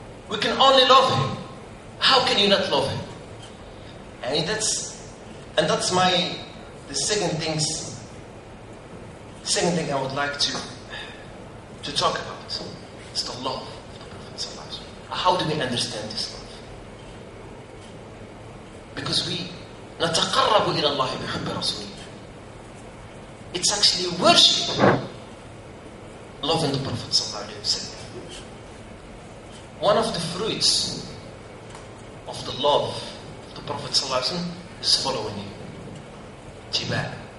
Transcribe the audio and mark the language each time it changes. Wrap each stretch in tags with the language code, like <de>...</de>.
<en>We can only love him. How can you not love him? And that's my second thing I would like to talk about is the love of the Prophet sallallahu alaihi wasallam. How do we understand this love? Because we</en> <ar>نَتَقَرَّبُ إِلَى اللَّهِ بِحُبِّ رَسُولِهِ.</ar> <en>It's actually worship, loving the Prophet sallallahu alaihi wasallam. One of the fruits of the love of the Prophet sallallahu alaihi wasallam is following him. Tibah.</en>